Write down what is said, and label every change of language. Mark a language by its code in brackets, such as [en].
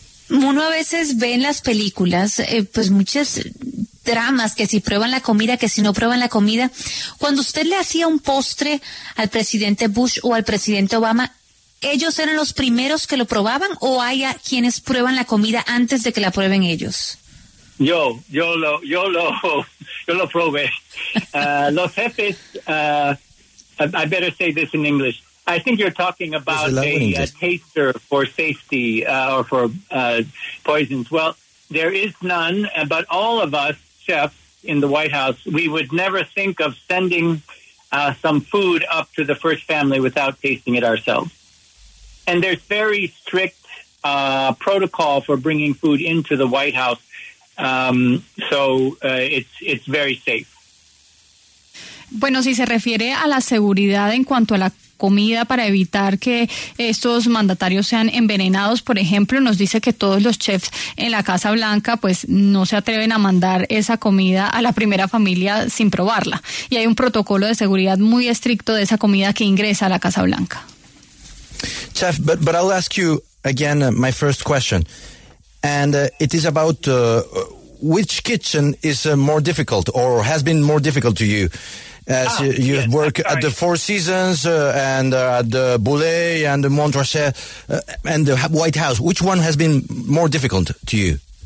[es] Uno a veces ve en las películas pues muchas dramas, que si prueban la comida, que si no prueban la comida. Cuando usted le hacía un postre al presidente Bush o al presidente Obama, ¿ellos eran los primeros que lo probaban o hay quienes prueban la comida antes de que la prueben ellos? Yo lo probé. Los jefes, [en] I better say this in English. I think you're talking about a taster for safety or for poisons. Well, there is none, but all of us chefs in the White House, we would never think of sending some food up to the first family without tasting it ourselves. And there's very strict protocol for bringing food into the White House. It's very safe. [es] Bueno, si se refiere a la seguridad en cuanto a la comida para evitar que estos mandatarios sean envenenados, por ejemplo, nos dice que todos los chefs en la Casa Blanca pues no se atreven a mandar esa comida a la primera familia sin probarla. Y hay un protocolo de seguridad muy estricto de esa comida que ingresa a la Casa Blanca. [en] Chef, but I'll ask you again my first question. And it is about which kitchen is more difficult or has been more difficult to you? As work at the Four Seasons and at the Boulay and the Montrachet and the White House, which one has been more difficult to you?